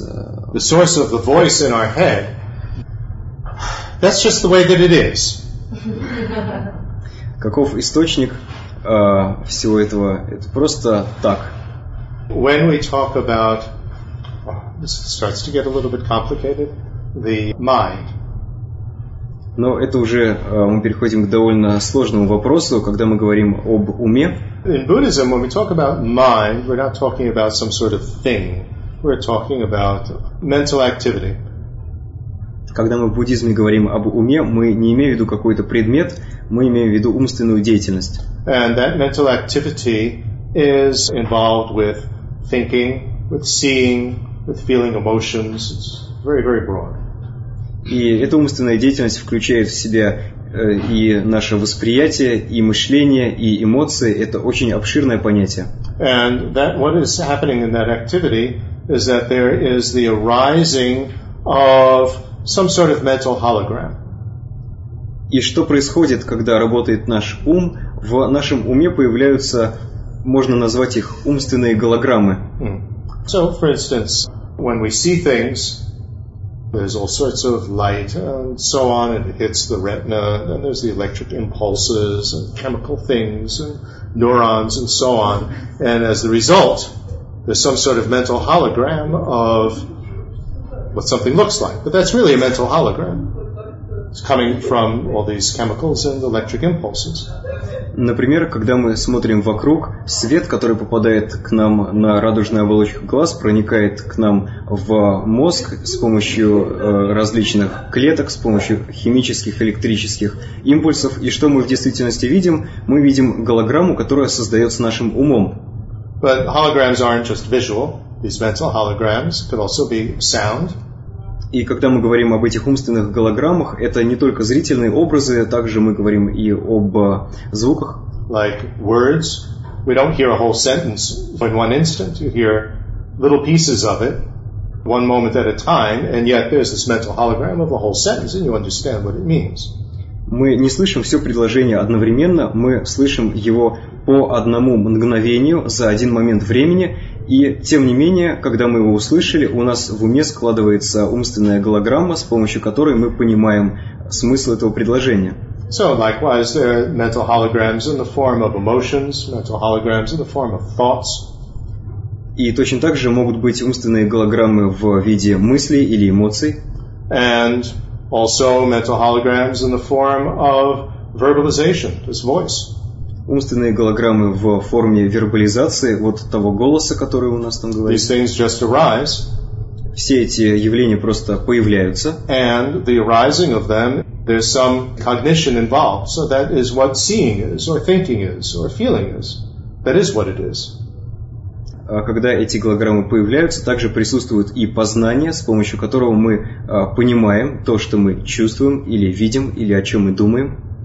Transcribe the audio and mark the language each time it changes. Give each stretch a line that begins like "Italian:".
English: The source of the voice in our head. That's just the way that it is.
Russian: Каков источник всего этого? Это просто так.
English: When we talk about... This starts to get a little bit complicated. The mind.
Russian: Но это уже мы переходим к довольно сложному вопросу, когда мы говорим об уме.
English: In Buddhism, when we talk about mind, we're not talking about some sort of thing. We're talking about mental activity.
Russian: Когда мы в буддизме говорим об уме, мы не имеем в виду какой-то предмет, мы имеем в виду умственную деятельность.
English: And that mental activity is involved with thinking, with seeing, with feeling emotions. It's very, very broad.
Russian: И эта умственная деятельность включает в себя и наше восприятие, и мышление, и эмоции. Это очень обширное понятие.
English: And that what is happening in that activity is that there is the arising of some sort of mental hologram.
Russian: И что происходит, когда работает наш ум? В нашем уме появляются, можно назвать их, умственные голограммы.
English: So, for instance, when we see things, there's all sorts of light and so on, and it hits the retina, then there's the electric impulses and chemical things and neurons and so on. And as the result, there's some sort of mental hologram of what something looks like. But that's really a mental hologram. It's coming from all these chemicals and electric impulses.
Russian: Например, когда мы смотрим вокруг, свет, который попадает к нам на радужную оболочку глаз, проникает к нам в мозг с помощью различных клеток, с помощью химических, электрических импульсов. И что мы в действительности видим? Мы видим голограмму, которая создается нашим умом.
English: But holograms aren't just visual. These mental holograms could also be sound.
Russian: И когда мы говорим об этих умственных голограммах, это не только зрительные образы, также мы говорим и об звуках.
English: Like words, we don't hear a whole sentence in one instant. You hear little pieces of it, one moment at a time, and yet there's this mental hologram of a whole sentence, and you understand what it means.
Russian: Мы не слышим все предложение одновременно, мы слышим его по одному мгновению за один момент времени. И тем не менее, когда мы его услышали, у нас в уме складывается умственная голограмма, с помощью которой мы понимаем смысл этого предложения.
English: So, likewise, there are mental holograms in the form of emotions, mental holograms in the form of thoughts.
Russian: И точно так же могут быть умственные голограммы в виде мыслей или эмоций.
English: And also mental holograms in the form of verbalization, this voice.
Russian: Умственные голограммы в форме вербализации вот того голоса, который у нас там говорит.
English: These things just arise.
Russian: Все эти явления просто появляются.
English: And the arising of them, there's some cognition involved. So that is what seeing is, or thinking is, or feeling is. That is what it is.
Russian: Когда эти голограммы появляются, также присутствует и познание, с помощью которого мы понимаем то, что мы чувствуем, или видим, или о чем мы думаем.